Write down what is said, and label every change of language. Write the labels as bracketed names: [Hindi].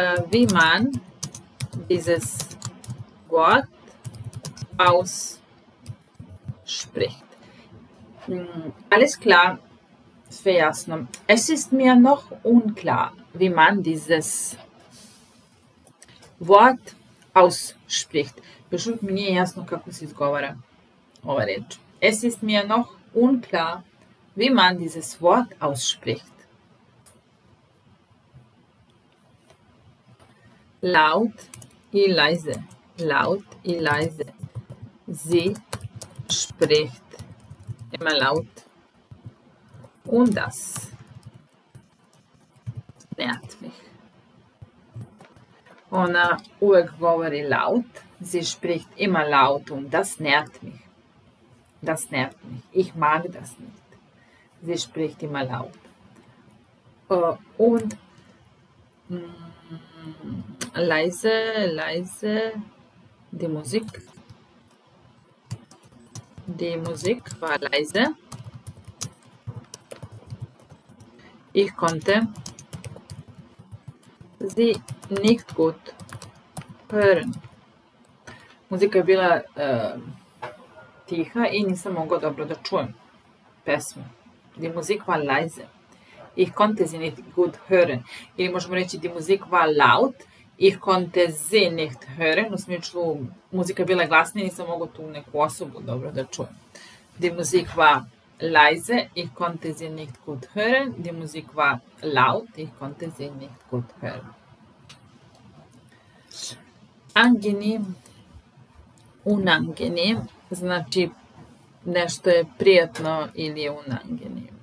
[German] Wie man dieses Wort ausspricht. Alles klar, [Serbian] sve jasno. [German] Es ist mir noch unklar, wie man dieses Wort ausspricht. [Serbian] Još uvijek mi nije jasno kako se izgovara ova reč. [German] Es ist mir noch unklar, wie man dieses Wort ausspricht. Laut i leise. Laut i leise. Sie spricht. Immer laut. Und das nervt mich. [Serbian] Ona uvek govori [German] laut. Sie spricht immer laut und das nervt mich. Das nervt mich. Ich mag das nicht. Sie spricht immer laut. Und leise, leise die Musik. Die Musik war leise. Ich konnte sie nicht gut hören. [Serbian] Muzika je bila tiha i nisam mogao dobro da čujem pesmu. [German] Die Musik war leise. Ich konnte sie nicht gut hören. [Serbian] Ili možemo reći [German] die Musik war laut. Ich konnte sie nicht hören. [Serbian] U smislu muzika je bila glasna i nisam mogao tu neku osobu dobro da čujem. [German] Die Musik war leise, ich konnte sie nicht gut hören. Die Musik war laut, ich konnte sie nicht gut hören. [Serbian] Angenehm, unangenehm, znači nešto je prijatno ili je unangenehm.